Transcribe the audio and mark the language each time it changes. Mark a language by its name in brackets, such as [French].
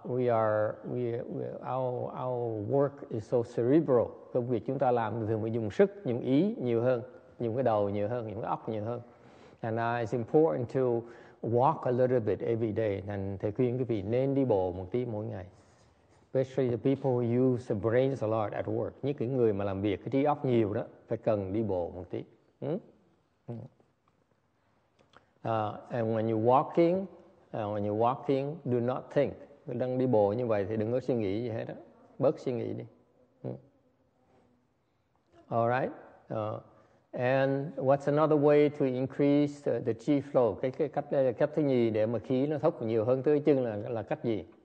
[English] Our work is so cerebral. [Vietnamese] Công việc chúng ta làm thường phải dùng sức, dùng ý nhiều hơn, dùng cái đầu nhiều hơn, dùng cái óc nhiều hơn. [English] And it's important to walk a little bit every day. [Vietnamese] And thầy khuyên quý vị nên đi bộ một tí mỗi ngày. [English] Especially the people who use the brains a lot at work. [Vietnamese] Những cái người mà làm việc cái trí óc nhiều đó phải cần đi bộ một tí. [English] And when you're walking, do not think. [Vietnamese] Đang đi bộ như vậy thì đừng có suy nghĩ gì hết á. Bớt suy nghĩ đi. [English] Alright. And what's another way to increase the chi flow? [Vietnamese] Cái cách thứ nhì để mà khí nó thốc nhiều hơn tới chân là cách gì?